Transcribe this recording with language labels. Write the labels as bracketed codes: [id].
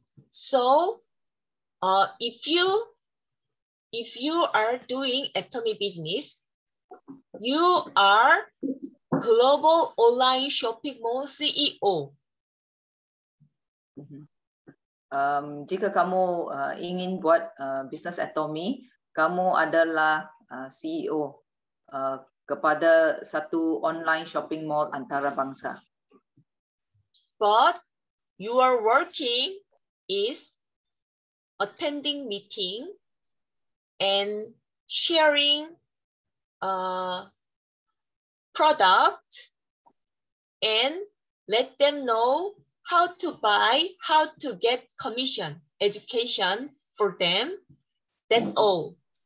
[en] So, if you are doing Atomy business, you are global online shopping mall CEO. [ms] Jika kamu ingin buat bisnes Atomy, kamu adalah CEO kepada satu online shopping mall antarabangsa. [en] But your working is attending meeting and sharing product and let them know how to buy, how to get commission, education for them. That's all.